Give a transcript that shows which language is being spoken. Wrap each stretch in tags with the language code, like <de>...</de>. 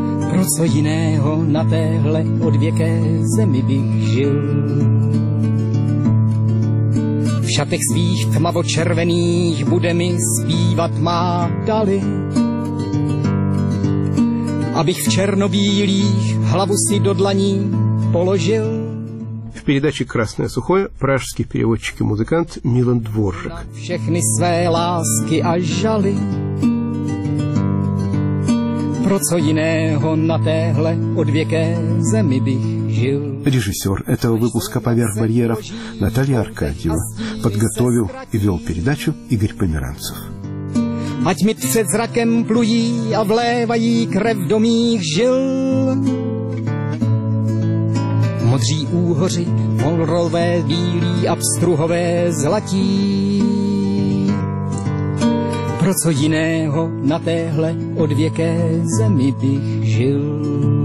<cs>Pro co jiného na téhle odvěké zemi bych žil? V šatech svých tmavo-červených bude mi zpívat má dali, abych v černobílých hlavu si do dlaní položil.</cs> <ru>V передаче «Красное сухое» pražský переводчик и музыкант Milan Dvořák.</ru> <cs>Všechny své lásky a žaly, pro co jiného na téhle odvěké zemi bych.</cs> <ru>Режиссер этого выпуска «Поверх барьеров» Наталья Аркадьева. Подготовил и вел передачу Игорь Померанцев.</ru> <cs>Ať mi před zrakem plují a vlévají krev do mých žil. Modří úhoři, molrové, bílí a pstruhové zlatí. Pro co jiného na téhle odvěké zemi bych žil.</cs>